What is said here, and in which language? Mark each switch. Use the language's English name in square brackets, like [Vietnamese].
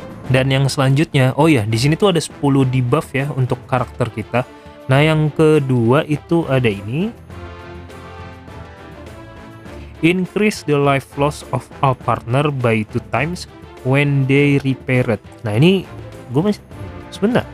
[Indonesian] Dan yang selanjutnya, oh ya, di sini tuh ada 10 debuff ya untuk karakter kita. Nah, yang kedua itu ada ini. [English] Increase the life loss of a partner by 2 times when they repaired. [Indonesian] Nah, ini gue masih sebentar.